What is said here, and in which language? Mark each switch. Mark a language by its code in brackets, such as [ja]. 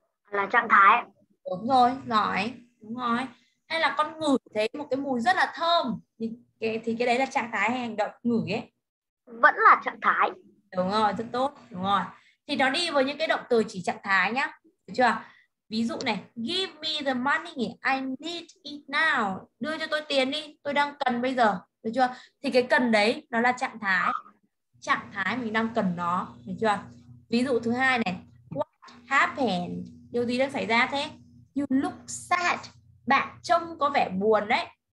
[vi] là trạng thái. Đúng rồi, giỏi, đúng rồi. Hay là con ngửi thấy một cái mùi rất là thơm thì cái đấy là trạng thái hay hành động ngửi ấy. Vẫn là trạng thái. Đúng rồi, rất tốt, đúng rồi. Thì nó đi với những cái động từ chỉ trạng thái nhá, được chưa? Ví dụ này, [en] give me the money, I need it now. [vi] Đưa cho tôi tiền đi, tôi đang cần bây giờ, được chưa? Thì cái cần đấy nó là trạng thái. Trạng thái mình đang cần nó, được chưa? Ví dụ thứ hai này, [en] what happened? [vi] Điều gì đang xảy ra thế? [en] You look sad. [vi] Bạn trông có vẻ buồn đấy.